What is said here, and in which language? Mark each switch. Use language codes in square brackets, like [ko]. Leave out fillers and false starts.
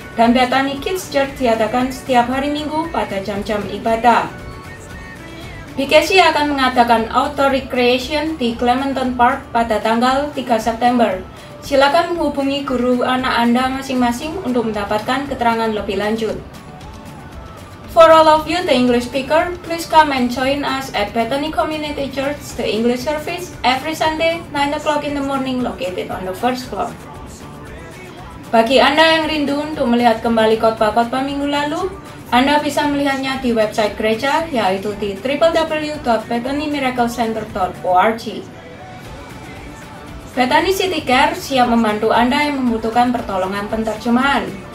[id] Dan Bethany Kids Church diadakan setiap hari Minggu pada jam-jam ibadah. BKC akan mengadakan Outdoor Recreation di Clementon Park pada tanggal 3 September. Silakan menghubungi guru anak Anda masing-masing untuk mendapatkan keterangan lebih lanjut. [en] For all of you the English speaker, please come and join us at Bethany Community Church the English service every Sunday 9 o'clock in the morning located on the first floor. [id] Bagi Anda yang rindu untuk melihat kembali khotbah-khotbah minggu lalu, Anda bisa melihatnya di website gereja yaitu di www.bethanymiraclecenter.org. Bethany City Care siap membantu Anda yang membutuhkan pertolongan penterjemahan.